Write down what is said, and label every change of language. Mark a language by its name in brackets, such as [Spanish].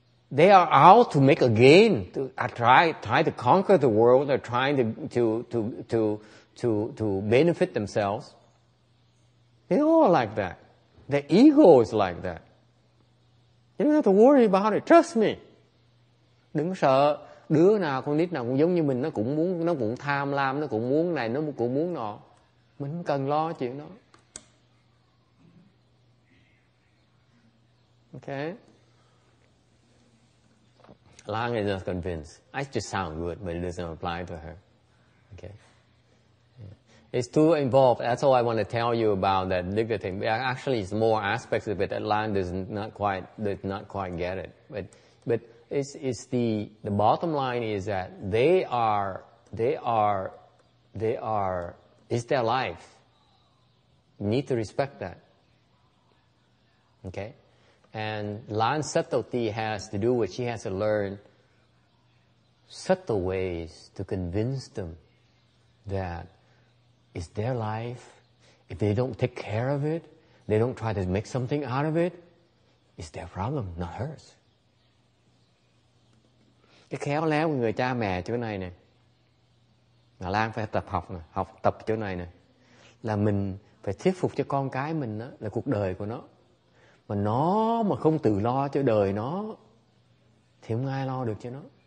[English] They are out to make a gain, to try to conquer the world, they're trying to benefit themselves. They all are like that. Their ego is like that. You don't have to worry about it, trust me. [Vietnamese] Đừng sợ, đứa nào con nít nào cũng giống như mình, nó cũng tham lam, nó cũng muốn này, nó cũng muốn nọ. Mình không cần lo chuyện đó. [English] Okay. Lang is not convinced. I just sound good, but it doesn't apply to her. Okay, yeah. It's too involved. That's all I want to tell you about that dignity thing. Actually, it's more aspects of it that Lang does not quite get it. But it's the bottom line is that they are it's their life. You need to respect that. Okay, and Lang subtlety has to do with she has to learn. Subtle ways to convince them that it's their life. If they don't take care of it, they don't try to make something out of it, it's their problem, not hers. [Vietnamese] Cái khéo léo của người cha mẹ chỗ này nè, là Lan phải tập học nè, học tập chỗ này nè, là mình phải thuyết phục cho con cái mình đó, là cuộc đời của nó mà không tự lo cho đời nó, thì không ai lo được cho nó.